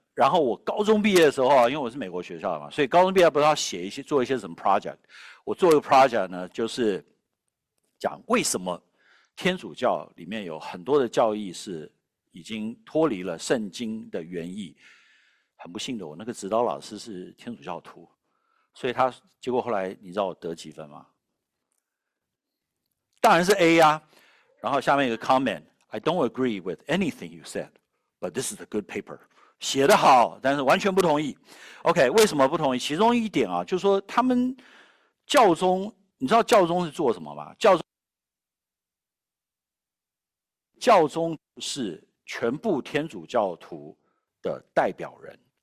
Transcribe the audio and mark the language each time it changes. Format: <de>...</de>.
<zh>然后我高中毕业的时候，因为我是美国学校的嘛，所以高中毕业不是要写一些做一些什么 project， 我做一个 project 呢，就是讲为什么天主教里面有很多的教义是已经脱离了圣经的原意。很不幸的，我那个指导老师是天主教徒，所以他结果后来你知道我得几分吗？当然是 A 呀。然后下面一个</zh> <en>comment， I don't agree with anything you said， but this is a good paper。</en> <zh>写得好，但是完全不同意。OK， 为什么不同意？其中一点啊，就是说他们教宗，你知道教宗是做什么吗？教宗是全部天主教徒的代表人。</zh>